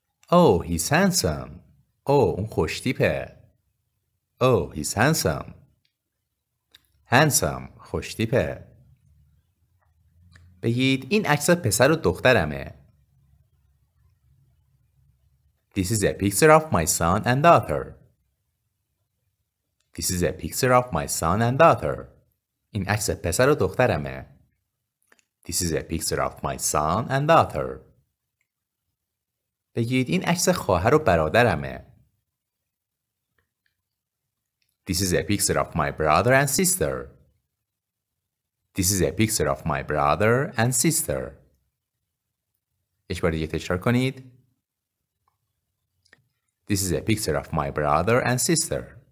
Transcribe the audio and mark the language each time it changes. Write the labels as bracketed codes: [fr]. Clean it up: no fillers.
[en] Oh, he's handsome. Oh, [fa] اون خوشتیپه. [en] Oh, he's handsome. Handsome, [fa] خوشتیپه. بگید این عکس پسر و دخترمه. [en] This is a picture of my son and daughter. This is a picture of my son and daughter. [fa] این عکس پسر و دخترمه. [en] This is a picture of my son and daughter. [fa] بگید این عکس خواهر و برادرمه. [en] This is a picture of my brother and sister. This is a picture of my brother and sister. [fa] یک بار دیگه تکرار کنید. [en] This is a picture of my brother and sister.